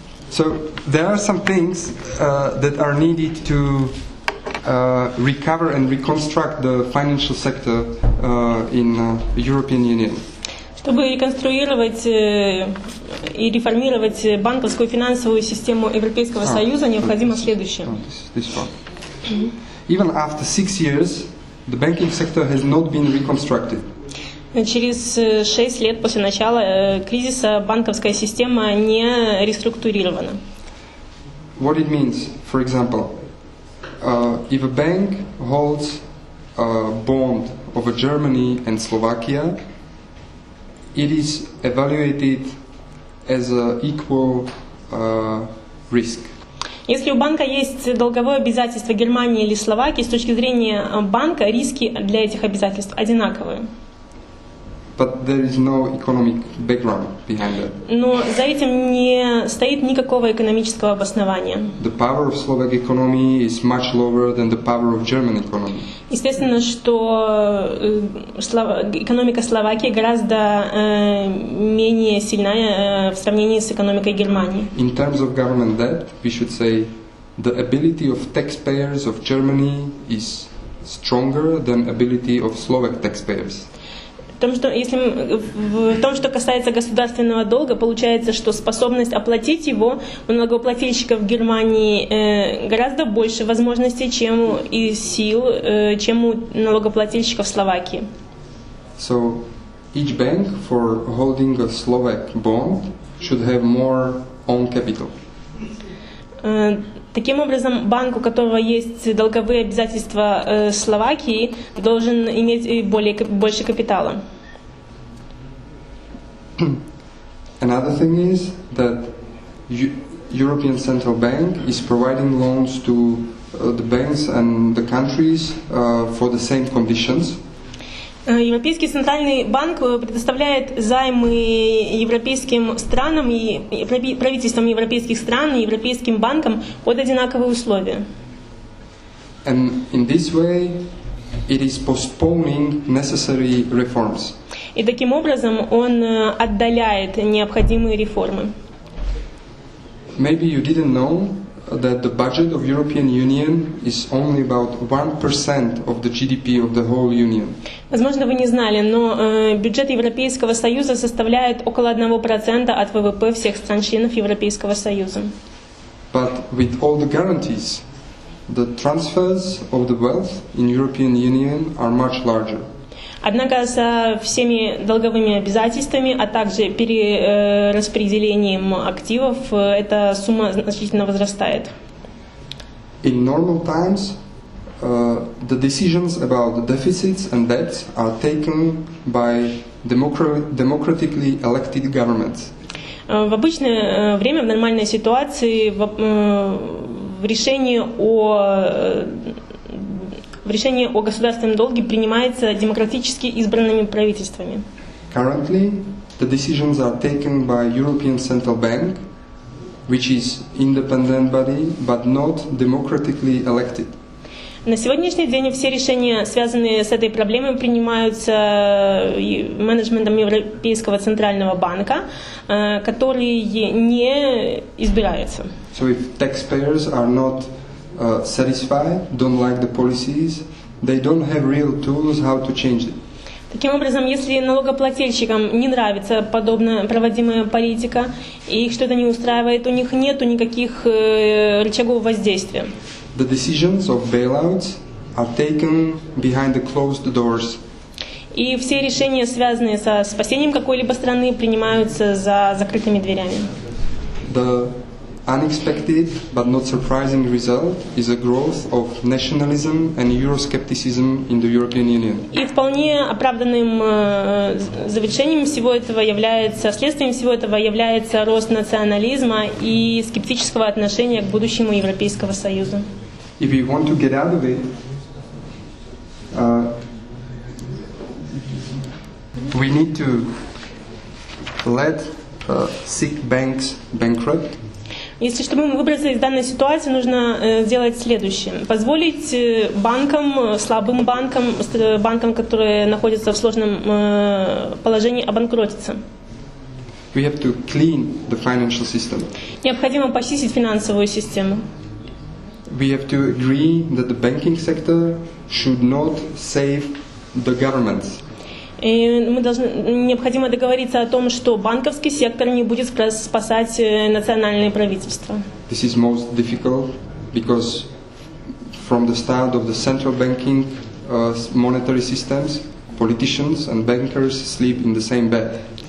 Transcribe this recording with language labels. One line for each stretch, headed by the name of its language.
English: So there are some things that are needed to recover and reconstruct the financial sector in European Union.
Russian: Чтобы реконструировать и реформировать банковскую финансовую систему Европейского Союза, необходимо следующее.
English: Even after 6 years, the banking sector has not been reconstructed.
Russian: Через 6 лет после начала кризиса банковская система не реструктурирована.
English: What it means, for example, if a bank holds a bond over Germany and Slovakia, it is evaluated as an equal risk.
Russian: Если у банка есть долговое обязательство Германии или Словакии, с точки зрения банка риски для этих обязательств одинаковые.
English: But there is no economic background behind that.
Russian: Но за этим не стоит никакого экономического обоснования.
English: The power of Slovak economy is much lower than the power of German economy.
Russian: Естественно, что экономика Словакии гораздо менее сильная в сравнении с экономикой Германии.
English: In terms of government debt, we should say the ability of taxpayers of Germany is stronger than ability of Slovak taxpayers.
Russian: В том, что касается государственного долга, получается, что способность оплатить его у налогоплательщиков в Германии гораздо больше возможностей, чем и сил, чем у налогоплательщиков в Словакии.
English: So each bank for holding a Slovak bond should have more own capital.
Russian: Таким образом, банк, у которого есть долговые обязательства Словакии, должен иметь больше капитала.
English: Another thing is that European Central Bank is providing loans to the banks and the countries for the same conditions.
Russian: Европейский центральный банк предоставляет займы европейским странам и правительствам европейских стран и европейским банкам под одинаковые условия.
English: And in this way, it is postponing necessary reforms.
Russian: И таким образом он отдаляет необходимые реформы.
English: Maybe you didn't know that the budget of European Union is only about 1% of the GDP of the whole Union.
Russian: Возможно, вы не знали, но бюджет Европейского Союза составляет около 1% от ВВП всех стран-членов Европейского Союза.
English: But with all the guarantees, the transfers of the wealth in European Union are much larger.
Russian: Однако со всеми долговыми обязательствами, а также перераспределением активов, эта сумма значительно возрастает.
English: In normal times, the decisions about the deficits and debts are taken by democratically elected governments.
Russian: В обычное время, в нормальной ситуации, в решении о государственном долге принимается демократически избранными правительствами.
English: Currently, the decisions are taken by European Central Bank, which is independent body, but not democratically elected.
Russian: На сегодняшний день все решения, связанные с этой проблемой, принимаются менеджментом Европейского центрального банка, который не избирается.
English: So if taxpayers are not satisfied, don't like the policies, they don't have real tools how to change it.
Russian: Таким образом, если налогоплательщикам не нравится подобная проводимая политика и их что-то не устраивает, у них нет никаких рычагов воздействия.
English: The decisions of bailouts are taken behind the closed doors.
Russian: И все решения, связанные со спасением какой-либо страны, принимаются за закрытыми дверями.
English: The unexpected but not surprising result is a growth of nationalism and euroscepticism in the European Union.
Russian: И вполне оправданным завершением всего этого является, следствием всего этого является рост национализма и скептического отношения к будущему Европейского Союза.
English: If you want to get out of it, we need to let sick banks bankrupt.
Russian: Если чтобы выбраться из данной ситуации, нужно сделать следующее: позволить банкам, слабым банкам, банкам, которые находятся в сложном положении, обанкротиться.
English: We have to clean the financial system.
Russian: Необходимо почистить финансовую систему.
English: We have to agree that the banking sector should not save the governments.
Russian: Мы должны, необходимо договориться о том, что банковский сектор не будет спасать национальные правительства.
English: This is most difficult because from the start of the central banking monetary systems, politicians and bankers sleep in the same bed.